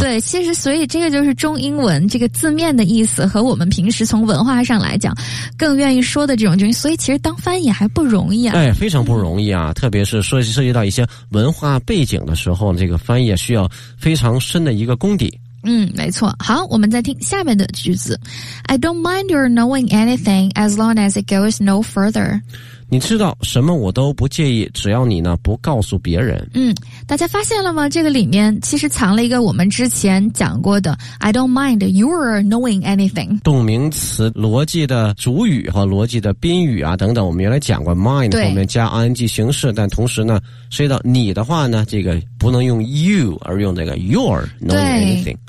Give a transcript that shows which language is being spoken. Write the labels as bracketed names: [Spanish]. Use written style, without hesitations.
[Chinese] 对，其实所以这个就是中英文这个字面的意思，和我们平时从文化上来讲更愿意说的这种，就是所以其实当翻译还不容易啊。非常不容易啊。特别是涉及到一些文化背景的时候，这个翻译需要非常深的一个功底。没错。好，我们再听下面的句子。 [English] I don't mind your knowing anything as long as it goes no further. [Chinese] 你知道什么我都不介意，只要你呢不告诉别人。大家发现了吗？这个里面其实藏了一个我们之前讲过的 [English] I don't mind you're knowing anything [Chinese] 动名词逻辑的主语和逻辑的宾语啊等等，我们原来讲过 mind 后面加 ing 形式，但同时呢涉及到你的话呢，这个不能用 you 而用这个 [English] you're knowing anything。